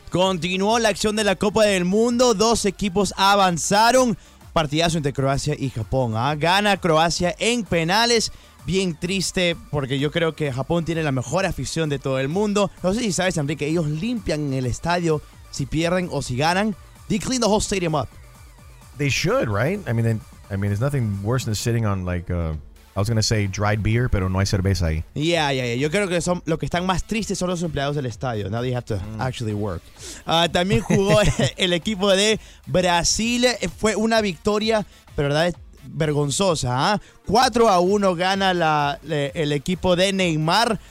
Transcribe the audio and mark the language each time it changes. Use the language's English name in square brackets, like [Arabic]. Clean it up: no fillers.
[Spanish] Continuó la acción de la Copa del Mundo. Dos equipos avanzaron. Partidazo entre Croacia y Japón. Gana Croacia en penales. Bien triste, porque yo creo que Japón tiene la mejor afición de todo el mundo. No sé si sabes, Enrique, ellos limpian el estadio si pierden o si ganan. [English] They clean the whole stadium up. They should, right? I mean, there's nothing worse than sitting on like... I was going to say dried beer, [Spanish] pero no hay cerveza ahí. [English] Yeah. [Spanish] Yo creo que son lo que están más tristes son los empleados del estadio. [English] Now they have to actually work. [Spanish] También jugó el equipo de Brasil. Fue una victoria, pero la verdad es vergonzosa. 4-1 gana el equipo de Neymar.